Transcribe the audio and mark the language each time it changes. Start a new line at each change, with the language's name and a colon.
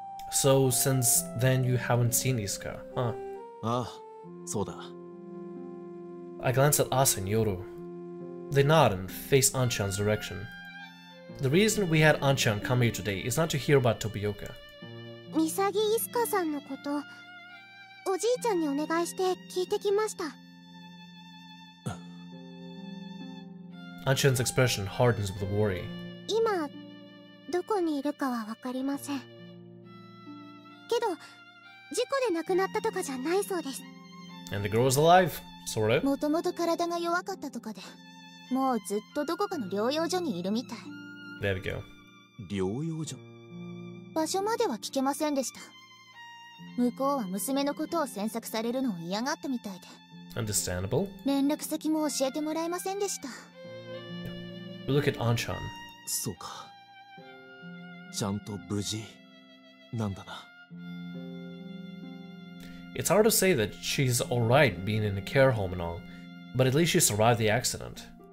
English: So, since then, you haven't seen Isuka, huh?
Japanese: Ah, so da.
English: I glance at Asa and Yoru. They nod and face Anchan's direction. The reason we had Anchan come here today is not to hear about Tobioka.
Japanese: ミサギ・イスカさんのこと、おじいちゃんにお願いして聞いてきました。
English: Anchan's expression hardens with worry.
Japanese: 今、どこにいるかはわかりません。けど、事故で亡くなったとかじゃないそうです。
English: And the girl is alive, sort of.
Japanese: もともと体が弱かったとかで、もうずっとどこかの療養所にいるみたい。
English: There we go.
Japanese: 療養所場所までは聞けませんでした。向こうは娘のことを詮索されるのを嫌がったみたいで。
English: Understandable.
Japanese: 連絡先も教えてもらえませんでした。
English: We look at Anchan.
Japanese: そうか。ちゃんと無事なんだな。
English: It's hard to say that she's alright being in a care home and all, but at least she survived the accident.